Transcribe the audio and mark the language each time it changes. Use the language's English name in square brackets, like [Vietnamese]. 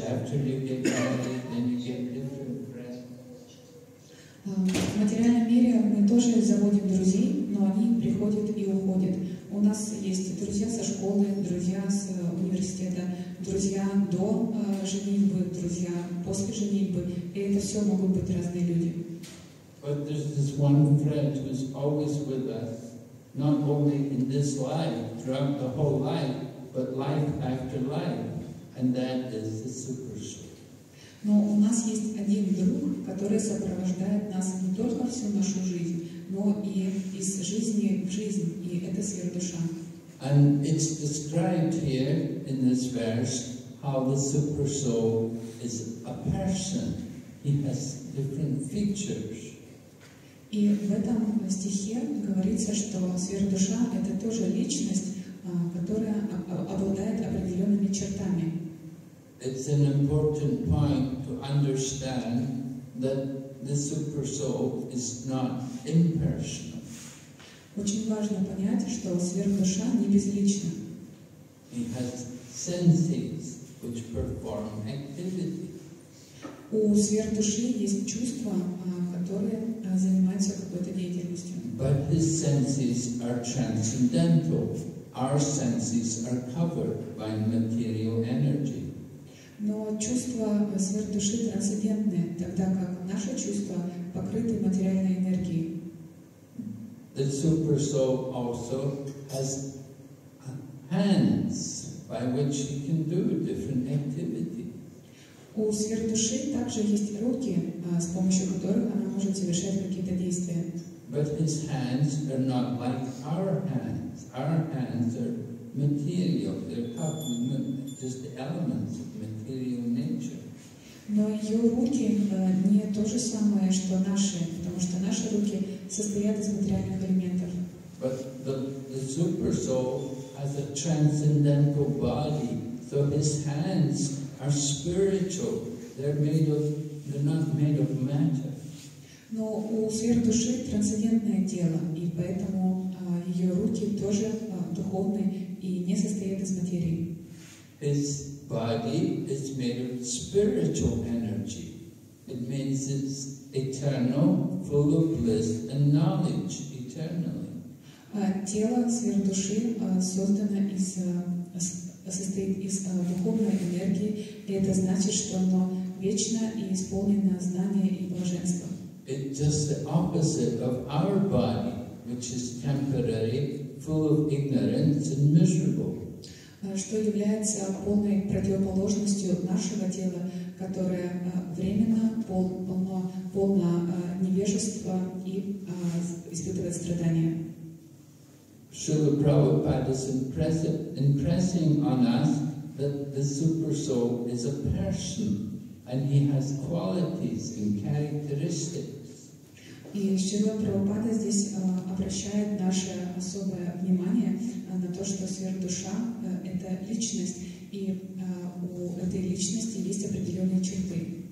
[English] After you get married, then you get different. [Russian] В материальном мире мы тоже заводим друзей, но они приходят и уходят. У нас есть друзья со школы, друзья с университета, друзья до женитьбы, друзья после женитьбы. И это все могут быть разные люди. [English] But there's this one friend who's always with us, not only in this life, throughout the whole life, but life after life, and that is the super soul. [Russian] Но у нас есть один друг, который сопровождает нас не только всю нашу жизнь, но и из жизни в жизнь, и это сверхдуша. [English] And it's described here in this verse how the super soul is a person. He has different features. [Russian] И в этом стихе говорится, что сверхдуша — это тоже личность, которая обладает определенными чертами. [English] It's an important point to understand that the super soul is not impersonal. [Russian] Очень важно понять, что сверхдуша не безлична. [English] He has senses which perform activity. [Russian] У сверхдуши есть чувства, которые занимаются какой-то деятельностью. [English] But his senses are transcendental. Our senses are covered by material energy. [Russian] Но чувства сверхдуши трансцендентны, тогда как наши чувства покрыты материальной энергией. [English] The super soul also has hands by which he can do different activity. [Russian] У сверхдуши также есть руки, с помощью которых она может совершать какие-то действия. [English] But his hands are not like our hands. Our hands are material, they're covered with just the elements of material nature. [Russian] Но ее руки не то же самое, что наши, потому что наши руки состоят из материальных элементов. [English] But the super soul has a transcendental body, so his hands are spiritual. They're not made of matter. [Russian] Но у сверхдуши трансцендентное тело, и поэтому ее руки тоже духовные. И не состоит из материи. [English] His body is made of spiritual energy. It means it's eternal, full of bliss and knowledge eternally. [Russian] Тело сверхдуши создано из состоит из духовной энергии, и это значит, что оно вечно и исполнено знания и блаженства. [English] It's just the opposite of our body, which is temporary, full of ignorance and miserable. [Russian] Что является полной противоположностью нашего тела, которое временно полно невежества и испытывает страдания. [English] Шрила Прабхупада is impressing on us that the super soul is a person and he has qualities and characteristics. [Russian] И Шрила Прабхупада здесь обращает наше особое внимание на то, что сверхдуша это личность, и у этой личности есть определенные черты.